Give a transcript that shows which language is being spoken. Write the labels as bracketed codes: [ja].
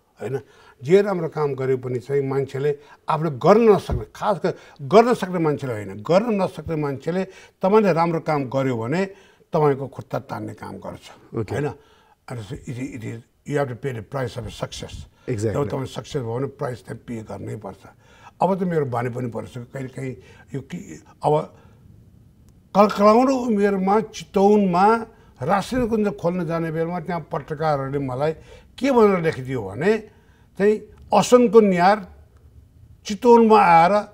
[ne] होइन जे राम्रो काम गरे पनि चाहिँ मान्छेले आफूले गर्न नसक्ने खास गरी गर्न सक्ने मान्छेले होइन गर्न नसक्ने मान्छेले तपाईँले राम्रो काम गर्यो भने तपाईँको खुट्टा तान्ने काम गर्छ होइन [en] it is you have to pay the price of success exact [ne] तपाईँ सक्सेस भयो भने प्राइस चाहिँ पे गर्नै पर्छ अब त मेरो बानी पनि पर्छ कहिलेकाहीँ यो कि अब कलकलाउँदो उमेरमा चितौनमा राशिन कुञ्ज खोल्न जाने बेलामा त्यहाँ पत्रकारहरूले मलाई के भनेर लेखिदियो भने चाहिँ असनको निहार चितवनमा आएर